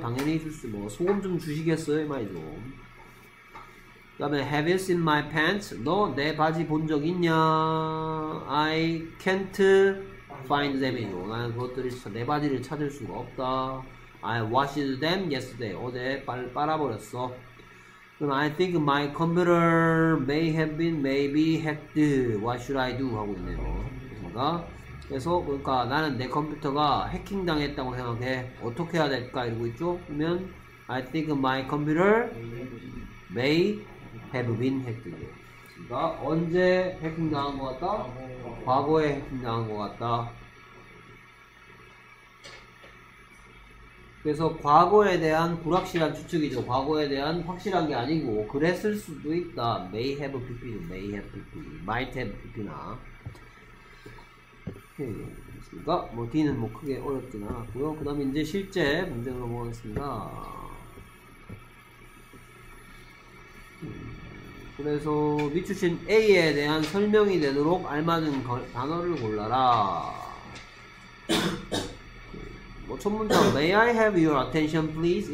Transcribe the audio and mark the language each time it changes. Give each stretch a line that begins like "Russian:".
Korean: 당연히 줄 수 뭐 소금 좀 주시겠어요? 이 말이죠. 그 다음에
English: Have you seen my pants?
Korean: 너 내 바지 본 적 있냐?
English: I can't find them.
Korean: 나는 그것들을 내 바지를 찾을 수가 없다.
English: I washed them yesterday.
Korean: 어제 빨아버렸어. 그럼
English: I think my computer may have been maybe hacked. What should I do?
Korean: 하고 있네요. 그러니까 그래서 그러니까 나는 내 컴퓨터가 해킹당했다고 생각해. 어떻게 해야 될까? 이러고 있죠. 그러면
English: I think my computer may have been hacked.
Korean: 그러니까 언제 해킹 당한 것 같다? 과거에 해킹 당한 것 같다. 그래서 과거에 대한 불확실한 추측이죠. 과거에 대한 확실한 게 아니고 그랬을 수도 있다.
English: May have been, may have been, might have been.
Korean: 그러니까 뭐 D는 뭐 크게 어렵진 않았고요. 그 다음에 이제 실제 문제로 넘어가겠습니다. 그래서 미추신 A에 대한 설명이 되도록 알맞은 단어를 골라라. 뭐 첫 문장
English: May I have your attention please?